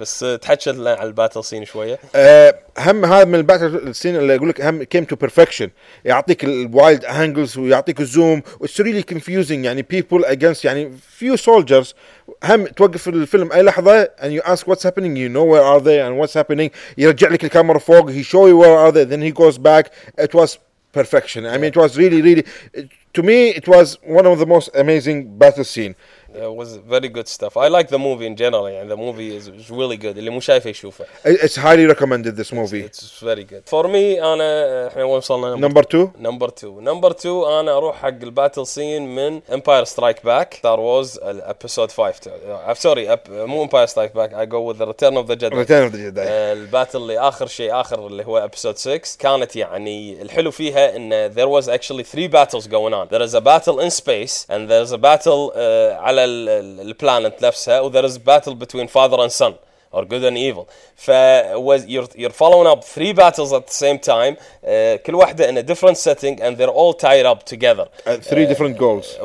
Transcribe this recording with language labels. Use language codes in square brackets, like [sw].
[ar] بس تحكي لنا على الباتل سين شوية. هم هذا من الباتل سين اللي أقولك هم [en] came to perfection. [ar] يعطيك الوايلد أنجلز ويعطيك الزوم. [en] It's really confusing. يعني people against يعني few soldiers. [ar] هم توقف الفيلم أي لحظة [en] and you ask what's happening. You know where are they and what's happening. [ar] يرجع لك الكاميرا فوق. [en] He show you where are they, then he goes back. It was perfection. I mean, it was really, really to me it was one of the most amazing battle scene. It was very good stuff. I like the movie in general. Yeah. The movie is really good. [ar] اللي مو شايفه يشوفه. [en] It's highly recommended, this movie. It's very good. For me, [ar] أنا إحنا وصلنا [en] Number two. [ar] أنا أروح حق الباتل سين من Empire Strike Back. [en] Star Wars Episode 5. I'm sorry, مو Empire Strike Back. I go with the Return of the Jedi. [ar] الباتل اللي آخر شيء آخر اللي هو Episode 6 كانت يعني الحلو فيها إن [en] there was actually three battles going on. There is a battle in space and there is a battle [ar] على البلانت نفسها [en] و there is a battle between father and son or good and evil. ف you're following up three battles at the same time, [ar] كل واحدة [en] in a different setting and they're all tied up together. Three different goals.